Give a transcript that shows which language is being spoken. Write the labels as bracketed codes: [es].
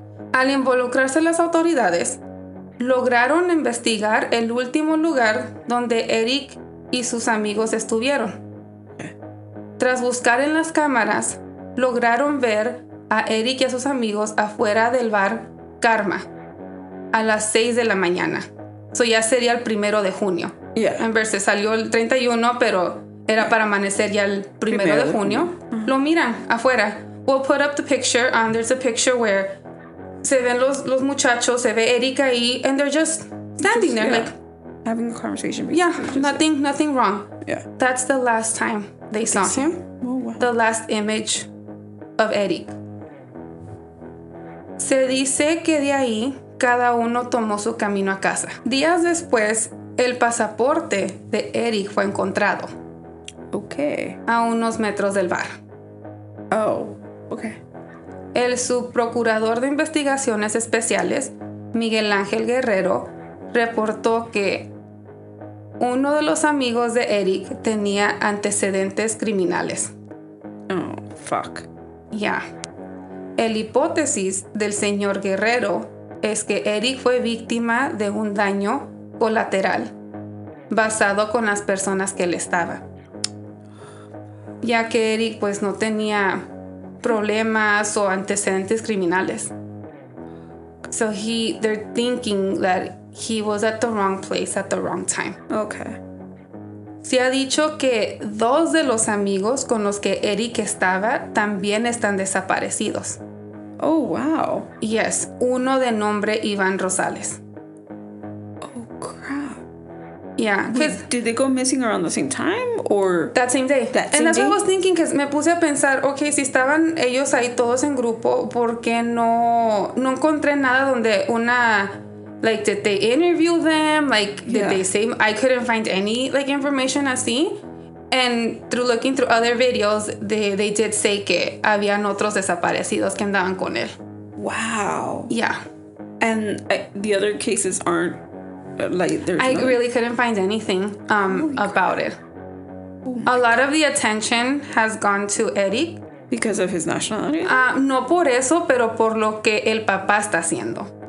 [es] Al involucrarse las autoridades, lograron investigar el último lugar donde Erick y sus amigos estuvieron. Tras buscar en las cámaras, lograron ver a Erick y a sus amigos afuera del bar Karma a las 6 de la mañana. So ya sería el 1 de junio. [en] Yeah. [es] En verse salió el 31, pero era para amanecer ya el 1 de junio. Lo miran afuera. [en] We'll put up the picture. There's a picture where [es] se ven los muchachos, se ve Erick ahí, [en] and they're just standing there, yeah, like having a conversation. Yeah, nothing, like, nothing wrong. Yeah. That's the last time they saw him. Oh, wow. The last image of Erick. [es] Se dice que de ahí cada uno tomó su camino a casa. Días después, el pasaporte de Erick fue encontrado. [en] Okay. [es] A unos metros del bar. [en] Oh, okay. [es] El subprocurador de investigaciones especiales, Miguel Ángel Guerrero, reportó que uno de los amigos de Erick tenía antecedentes criminales. [en] Oh, fuck. Yeah. [es] El hipótesis del señor Guerrero es que Erick fue víctima de un daño colateral basado con las personas que él estaba. Ya que Erick, pues, no tenía problemas o antecedentes criminales. [en] So they're thinking that he was at the wrong place at the wrong time. Okay. [es] Se ha dicho que dos de los amigos con los que Erick estaba también están desaparecidos. [en] Oh, wow. Yes. [es] Uno de nombre Iván Rosales. [en] Oh, crap. Yeah. Did they go missing around the same time or? That same day. That same and that's day? What I was thinking, because [es] me puse a pensar, okay, si estaban ellos ahí todos en grupo, ¿por qué no encontré nada donde una, [en] like, did they interview them? Like, did yeah. they say, I couldn't find any, like, information así. And through looking through other videos, they did say [es] que habían otros desaparecidos que andaban con él. [en] Wow. Yeah. And the other cases aren't, like, there's I really couldn't find anything about it. A lot of the attention has gone to Erick. Because of his nationality? [es] No por eso, pero por lo que el papá está haciendo.